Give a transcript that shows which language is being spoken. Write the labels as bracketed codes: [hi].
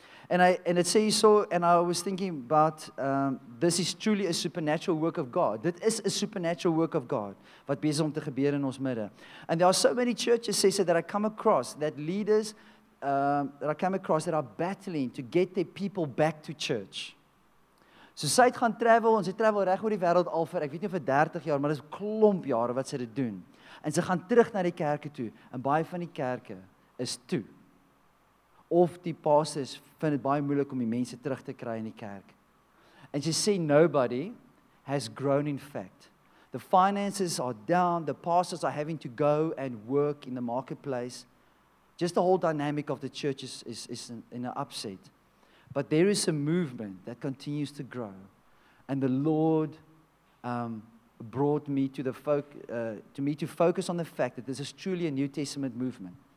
[en] And it says so, and I was thinking about, this is truly a supernatural work of God. [af] Dit is [en] a supernatural work of God, [af] wat besig om te gebeur in ons midde. [en] And there are so many churches, says that I come across, that leaders, that I come across that are battling to get their people back to church. [af] So sy het gaan travel, en sy travel reg oor die wêreld al vir, ek weet nie vir 30 jaar, maar dis klomp jare wat sy dit doen. En sy gaan terug na die kerke toe, en baie van die kerke is toe. Of die pastors vind het baie moeilik om die mense terug te kry in die kerk. [en] And she say, nobody has grown in fact. The finances are down, the pastors are having to go and work in the marketplace. Just the whole dynamic of the church is in an upset. But there is a movement that continues to grow. And the Lord brought me to focus on the fact that this is truly a New Testament movement.